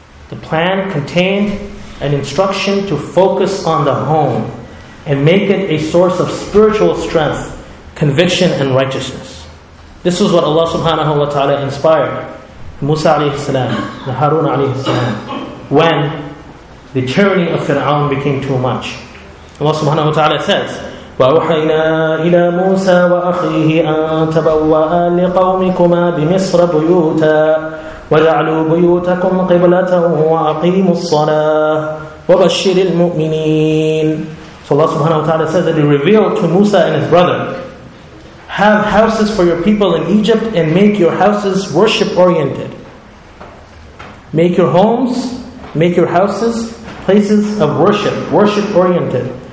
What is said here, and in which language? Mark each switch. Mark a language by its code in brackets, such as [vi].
[en] The plan contained an instruction to focus on the home and make it a source of spiritual strength, conviction, and righteousness. This is what Allah subhanahu wa ta'ala inspired Musa alayhi salam, the Harun alayhi salam, when the tyranny of Fir'aun became too much. Allah subhanahu wa ta'ala says, [ar] وَأَوْحَيْنَا إِلَى مُوسَى وَأَخِيهِ أَن تَبَوَّآ لِقَوْمِكُمَا بِمِصْرَ بُيُوتًا وَجَعْلُوا بُيُوتَكُمْ قِبْلَةً وَأَقِيمُوا الصَّلَاةَ وَبَشِّرِ الْمُؤْمِنِينَ. [en] So Allah subhanahu wa ta'ala says that He revealed to Musa and his brother, have houses for your people in Egypt and make your houses worship oriented. Make your homes, make your houses places of worship, worship oriented.